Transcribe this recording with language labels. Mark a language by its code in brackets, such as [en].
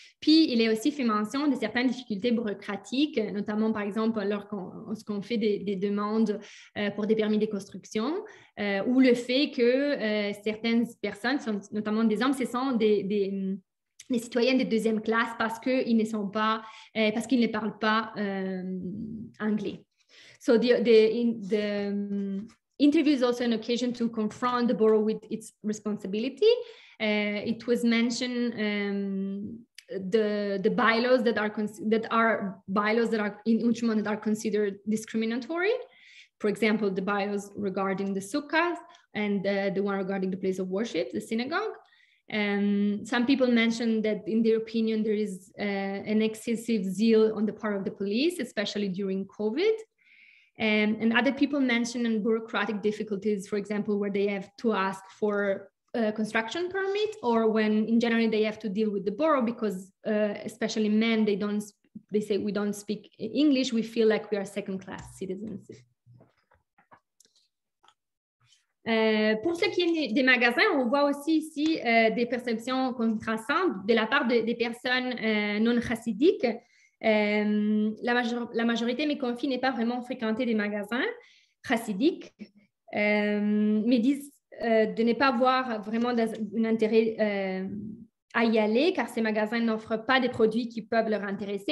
[fr] Puis, il est aussi fait mention de certaines difficultés bureaucratiques, notamment, par exemple, lorsqu'on fait des demandes pour des permis de construction, ou le fait que certaines personnes, notamment des hommes, ce sont des citoyens de deuxième classe parce qu'ils ne sont pas, parce qu'ils ne parlent pas anglais. [en] So the interview is also an occasion to confront the borough with its responsibility. It was mentioned the bylaws that are in Outremont that are considered discriminatory. For example, the bylaws regarding the sukkah and the one regarding the place of worship, the synagogue. Some people mentioned that in their opinion there is an excessive zeal on the part of the police, especially during COVID. And other people mentioned bureaucratic difficulties, for example, where they have to ask for a construction permit, or when in general they have to deal with the borough because especially men, they say we don't speak English, we feel like we are second class citizens. [fr] Pour ce qui est des magasins, on voit aussi ici des perceptions contrastantes de la part des personnes non chassidiques. La majorité me confie n'est pas vraiment fréquenté des magasins chassidiques, mais disent de ne pas avoir vraiment un intérêt à y aller, car ces magasins n'offrent pas des produits qui peuvent leur intéresser.